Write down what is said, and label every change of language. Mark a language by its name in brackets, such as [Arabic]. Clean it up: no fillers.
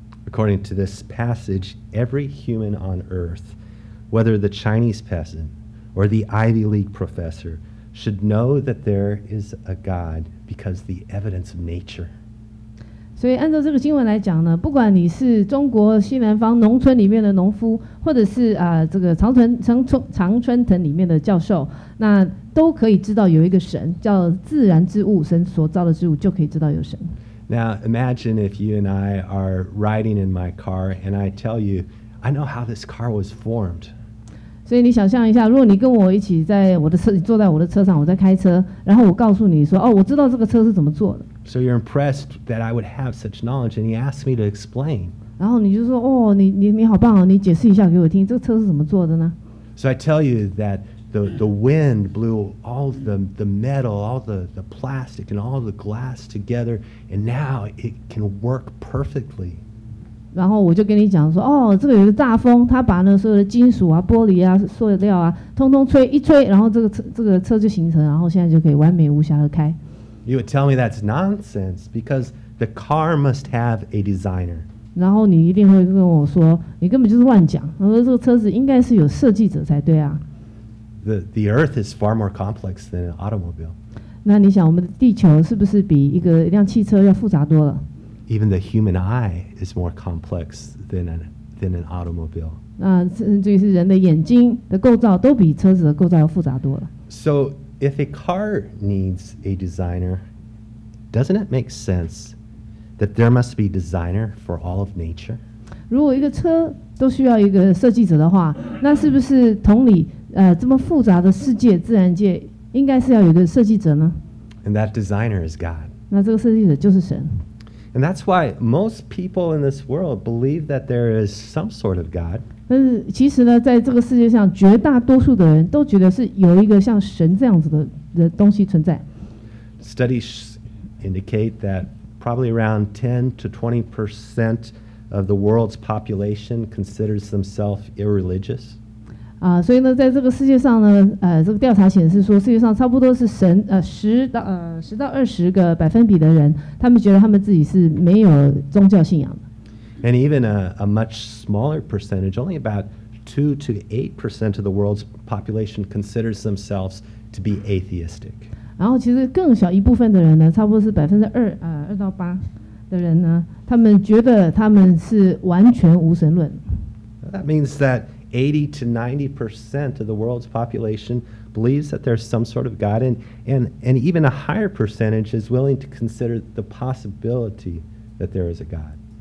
[English] According to this passage, every human on earth, whether the Chinese peasant or the Ivy League professor, should know that there is a God because the evidence of nature [Chinese] So, 按照这个经文来讲呢，不管你是中国西南方农村里面的农夫，或者是这个长春藤里面的教授，那都可以知道有一个神，叫自然之物，神所造的之物就可以知道有神。 [English] Now, imagine if you and I are riding in my car and I tell you, I know how this car was formed. [Chinese] 所以你想象一下，如果你跟我一起在我的车，坐在我的车上，我在开车，然后我告诉你说，哦，我知道这个车是怎么做的。 [English] So you're impressed that I would have such knowledge, and you ask me to explain. [Chinese] 然后你就说，哦，你好棒哦，你解释一下给我听，这个车是怎么做的呢 [English] ？So I tell you that the wind blew all the metal, all the plastic, and all the glass together, and now it can work perfectly. [Chinese] 然后我就跟你讲说，哦，这个有个大风，他把那所有的金属啊、玻璃啊、塑料啊，通通吹一吹，然后这个车就形成，然后现在就可以完美无瑕的开。 [English] You would tell me that's nonsense because the car must have a designer. [Chinese] 然后你一定会跟我说，你根本就是乱讲。我说这个车子应该是有设计者才对啊。 [English] The earth is far more complex than an automobile. [Chinese] 那你想，我们的地球是不是比一个一辆汽车要复杂多了？ [English] Even the human eye is more complex than an automobile. [Chinese] 那至于是人的眼睛的构造，都比车子的构造要复杂多了。 [English] So if a car needs a designer, doesn't it make sense that there must be a designer for all of nature? [Chinese] 如果一个车都需要一个设计者的话，那是不是同理，这么复杂的世界，自然界应该是要有一个设计者呢？ [English] And that designer is God. [Chinese] 那这个设计者就是神。 [English] And that's why most people in this world believe that there is some sort of God. [Chinese] 但是其实呢，在这个世界上，绝大多数的人都觉得是有一个像神这样子的东西存在。 [English] Studies indicate that probably around 10-20% of the world's population considers themselves irreligious. [Chinese] 啊，所以呢，在这个世界上呢，这个调查显示说，世界上差不多是神10-20%的人，他们觉得他们自己是没有宗教信仰的。 [English] And even a much smaller percentage, only about 2-8% of the world's population considers themselves to be atheistic. [Chinese] 然后其实更小一部分的人呢，差不多是2%-8%的人呢，他们觉得他们是完全无神论。 [English] That means that 80-90% of the world's population believes that there's some sort of God, and even a higher percentage is willing to consider the possibility that there is a God.